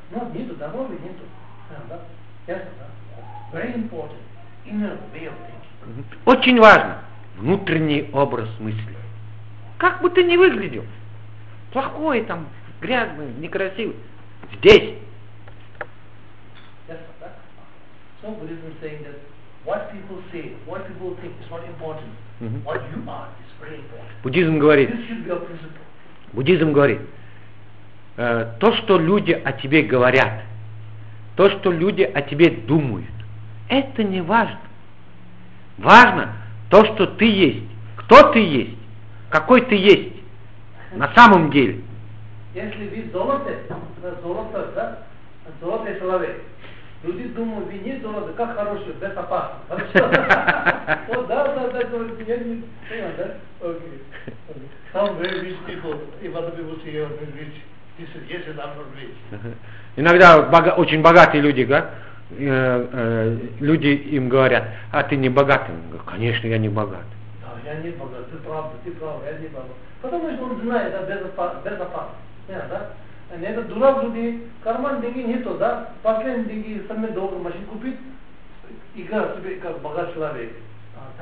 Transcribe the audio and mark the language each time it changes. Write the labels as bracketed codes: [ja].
[ru] Но нету здоровья, нету. Да? Ясно, да? [en] Very important. Inner way of thinking. [ru] Очень важно. Внутренний образ мысли. Как бы ты ни выглядел, плохой там, грязный, некрасивый, здесь. Ясно, да? [en] So Buddhism saying that what people say, what people think is not important. What you are is very important. [ru] Буддизм говорит. [en] This should be a principle. [ru] Буддизм говорит. То, что люди о тебе говорят, то, что люди о тебе думают, это не важно. Важно то, что ты есть, кто ты есть. Какой ты есть на самом деле? Если вы золото, золото, да? Золотой человек. Люди думают, вы не золото, как хорошее, без опасно. Вот да, я не понял, да? Окей. [en] Some very rich people, if other people say you're very rich, he said, yes, I'm not rich. [ru] Иногда очень богатые люди, да? Люди им говорят, а ты не богатый? Он говорит, конечно, я не богатый. Я не богат, ты прав, я не богат. Потому что он знает, да, безопасно. Не, да? Это дурак люди, карман деньги нету, да? Последние деньги сами долго машину купить, играть себе как богат человек. А